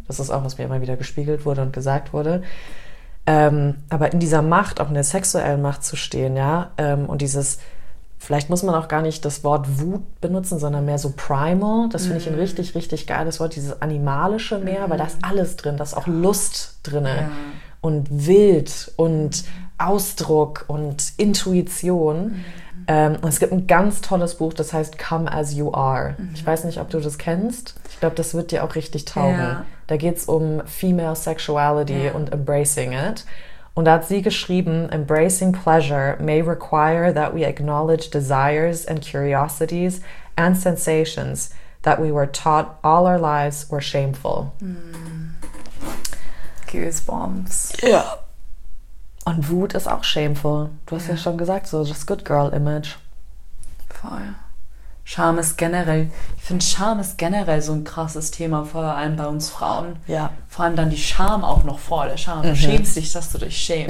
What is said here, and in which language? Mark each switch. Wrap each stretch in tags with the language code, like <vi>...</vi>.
<de>Das ist auch, was mir immer wieder gespiegelt wurde und gesagt wurde. Aber in dieser Macht, auch in der sexuellen Macht zu stehen, ja, und dieses, vielleicht muss man auch gar nicht das Wort Wut benutzen, sondern mehr so Primal, das finde ich ein richtig, richtig geiles Wort, dieses Animalische mehr, weil da ist alles drin, da ist auch Lust drin und Wild und Ausdruck und Intuition. Und es gibt ein ganz tolles Buch, das heißt Come As You Are. Mhm. Ich weiß nicht, ob du das kennst. Ich glaube, das wird dir auch richtig taugen. Ja. Da geht es um Female Sexuality und Embracing It. Und da hat sie geschrieben,</de> <en>Embracing pleasure may require that we acknowledge desires and curiosities and sensations that we were taught all our lives were shameful. Mhm. Goosebumps.</en> <de>Ja. Und Wut ist auch shameful. Du hast ja schon gesagt, so das Good Girl Image. Voll. Ich finde, Scham ist generell so ein krasses Thema, vor allem bei uns Frauen. Ja. Vor allem dann die Scham auch noch vor der Scham. Du schämst dich, dass du dich schämst.</de>